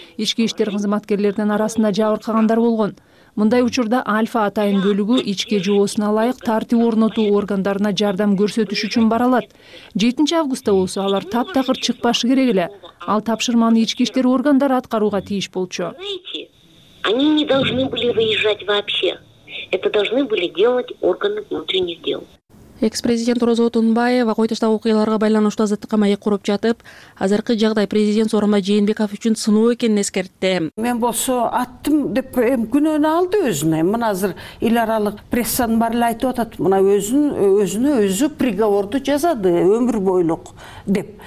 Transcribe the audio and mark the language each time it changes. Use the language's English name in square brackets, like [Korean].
[Kyrgyz] Ички иштер кызматкерлеринин арасында жабыркагандар болгон. Мындай учурда Альфа атайын бөлүгү ичке жоосуна ылайык тартип орнотуу органдарына жардам көрсөтүш үчүн бара алат. 7 августта болсо алар таптакыр чыкпашы керек эле. Ал тапшырманы ички иштер органдары аткарууга тийиш болчу. [Russian] Они не должны были выезжать вообще. Это должны были делать органы внутренних дел. [Kyrgyz] Экс-президент Орозбек Тунбаев койтуштагы окуяларга байланыштуу азаттыкка маек куруп жатып, азыркы жагдай президент Сооронбай Жээнбеков үчүн сыноо экенин эскертти. Мен болсо аттым деп эми күнөөнү алды өзүнө. Мына азыр эл аралык прессанын баары эле айтып атат, мына өзүнө өзү приговорду жазады өмүр бойлук деп.